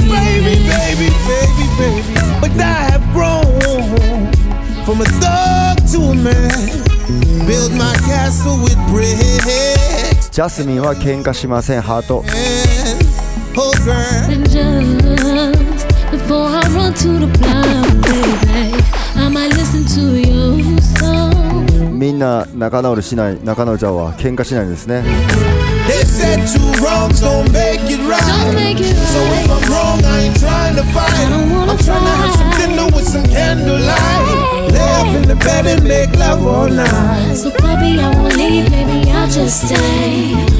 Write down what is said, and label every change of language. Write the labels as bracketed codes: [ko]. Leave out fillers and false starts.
[en] Baby, baby, baby, baby, but I have grown from a thug to a man. Build my castle with bricks. [ja] Jasmine は喧嘩しません、ハート。 [en] And just before I run to the plow, baby, I might listen to your song. [ja] みんな仲直りしない、仲直りちゃうわ、喧嘩しないですね。 [en] They said two wrongs don't make it right. Don't make it right. So if I'm wrong, I ain't trying to fight. I don't wanna fight. I'm trying to have some dinner with some candlelight. Lay up in the bed and make love all night. So baby, I won't leave. Maybe I'll just stay.